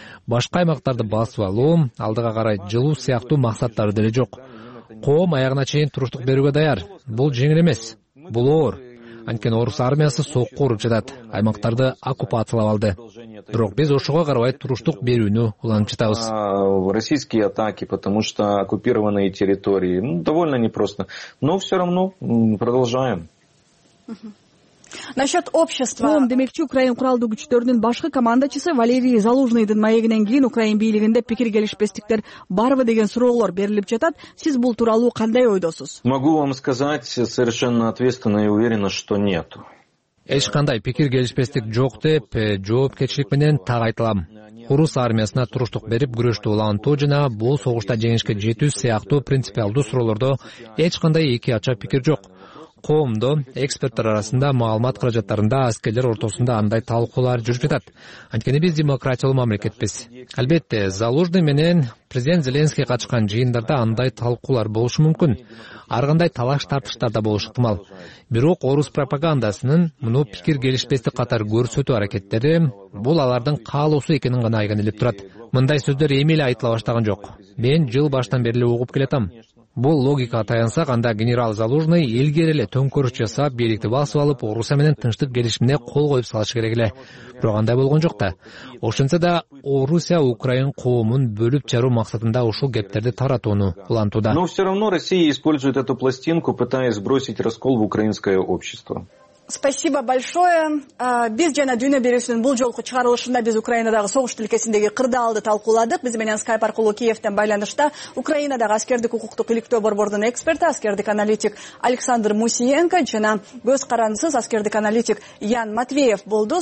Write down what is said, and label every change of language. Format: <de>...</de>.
<ky>Башка аймактарды басып алуу, алдыга карай жылуу сыяктуу максаттары деле жок. Коом аягына чейин туруштук берүүгө даяр. Бул жеңил эмес, бул оор. Анткени орус армиясы сокку уруп жатат, аймактарды оккупациялап алды. Бирок биз ошого карабай туруштук берүүнү улантып жатабыз.</ky> <ru>Российские атаки, потому что оккупированные территории, довольно непросто. Но все равно продолжаем. Насчет общества.</ru> <ky>Коом демекчи Украин куралдуу күчтөрүнүн башкы командачысы Валерий Залужныйдын маегинен кийин Украин бийлигинде пикир келишпестиктер барбы деген суроолор берилип жатат. Сиз бул тууралуу кандай ойдосуз?</ky> <ru>Могу вам сказать совершенно ответственно и уверенно, что нету.</ru> <ky>Эч кандай пикир келишпестик жок деп жоопкерчилик менен так айтылам. Орус армиясына туруштук берип күрөштү улантуу жана бул согушта жеңишке жетүү сыяктуу принципиалдуу суроолордо эч кандай эки ача пикир жок. Коомдо, эксперттер арасында, маалымат каражаттарында, аскерлер ортосунда андай талкуулар жүрүп жатат. Анткени биз демократиялуу мамлекетпиз. Албетте, Залужный менен президент Зеленский катышкан жыйындарда андай талкуулар болушу мүмкүн. Ар кандай талаш тартыштар да болушу ыктымал. Бирок орус пропагандасынын муну пикир келишпестик катары көрсөтүү аракеттери бул алардын каалоосу экенин гана айгинелеп турат. Мындай сөздөр эми эле айтыла баштаган жок. Мен жыл баштан бери эле угуп келатам. Бул логикага таянсак, анда генерал Залужный илгери эле төңкөрүш жасап, бийликти басып алып, Орусия менен тынчтык келишимине кол коюп салышы керек эле. Бирок андай болгон жок да. Ошентсе да, Орусия Украин коомун бөлүп жаруу максатында ушул кептерди таратууну улантууда.</ky> <ru>Но все равно Россия использует эту пластинку, пытаясь сбросить раскол в украинское общество. Спасибо большое.</ru> <ky>Биз жана дүйнө берүүсүнүн бул жолку чыгарылышында биз Украинадагы согуш тилкесиндеги кырдаалды талкууладык. Биз менен Skype аркылуу Киевтен байланышта Украинадагы аскердик укуктук иликтөө борбордун эксперти, аскердик аналитик Александр Мусиенко жана көз карандысыз аскердик аналитик Ян Матвеев болду.</ky>